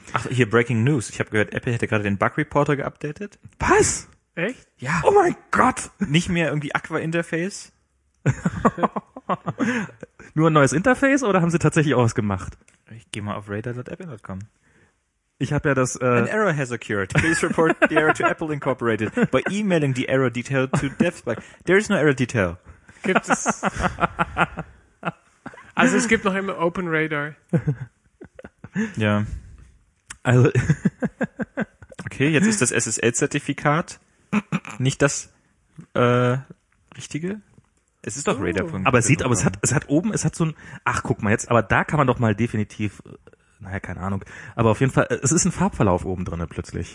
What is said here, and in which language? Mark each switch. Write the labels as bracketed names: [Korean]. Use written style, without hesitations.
[German] Ach, hier Breaking News. Ich habe gehört, Apple hätte gerade den Bug-Reporter geupdatet. Was? Echt? Ja. Oh mein Gott. Nicht mehr irgendwie Aqua-Interface? Nur ein neues Interface oder haben sie tatsächlich auch was gemacht? Ich gehe mal auf radar.apple.com. Ich habe ja das... [English] An error has occurred. Please report the error to Apple Incorporated by emailing the error detail to DevSpec. There is no error detail. [German] Gibt es... Also es gibt noch immer Open Radar. Ja. Also... Okay, jetzt ist das SSL-Zertifikat nicht das richtige. Es ist doch Radar.com. Aber es hat so ein, ach guck mal jetzt, aber da kann man doch mal definitiv, naja, keine Ahnung, aber auf jeden Fall, es ist ein Farbverlauf oben drin plötzlich.